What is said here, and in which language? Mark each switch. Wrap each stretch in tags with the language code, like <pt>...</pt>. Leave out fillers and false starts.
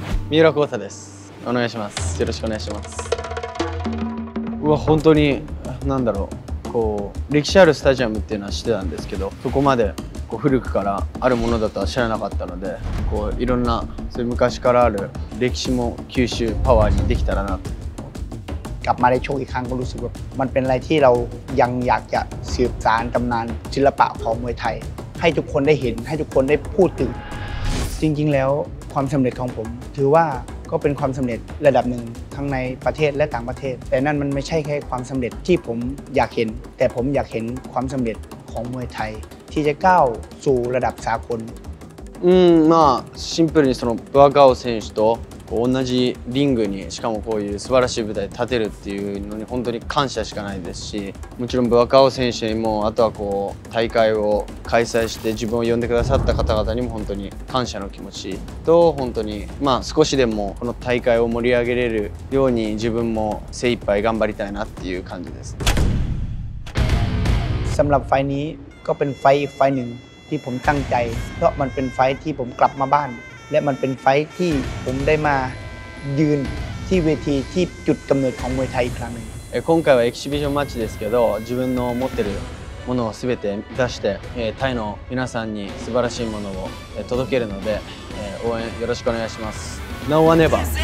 <ja>มิราโคซาですお願いしますよろしくお願いしますうわ本当になんだろうこう歴史あるスタジアムっていうのは知ってたんですけどそこまで古くからあるものだとは知らなかったのでこういろんなそういう昔からある歴史も吸収パワーにできたらなと。</ja> <th>กลับมาได้โชคอีกครั้งก็รู้สึกว่ามันเป็นอะไรที่เรายังอยากจะสืบสานตำนานศิลปะของมวยไทยให้ทุกคนได้เห็นให้ทุกคนได้พูดถึงจริงๆแล้วความสำเร็จของผมถือว่าก็เป็นความสำเร็จระดับหนึ่งทั้งในประเทศและต่างประเทศแต่นั่นมันไม่ใช่แค่ความสำเร็จที่ผมอยากเห็นแต่ผมอยากเห็นความสำเร็จของมวยไทยที่จะก้าวสู่ระดับสากล</th> <ja>まあシンプルにそのブアガオ選手と同じリングにしかもこういう素晴らしい舞台立てるっていうのに本当に感謝しかないですしもちろんブアガオ選手にもあとはこう大会を開催して自分を呼んでくださった方々にも本当に感謝の気持ちと本当にまあ少しでもこの大会を盛り上げれるように自分も精一杯頑張りたいなっていう感じです</ja> <th>สำหรับไฟนี้ก็เป็นไฟหนึ่งที่ผมตั้งใจเพราะมันเป็นไฟที่ผมกลับมาบ้านและมันเป็นไฟที่ผมได้มายืนที่เวทีที่จุดกำเนิดของมวยไทยอีกครั้งนึง</th> <ja>今回はエキシビションマッチですけど自分の持ってるものを全て出してタイの皆さんに素晴らしいものを届けるので応援よろしくお願いします</ja> <en>No one ever</en>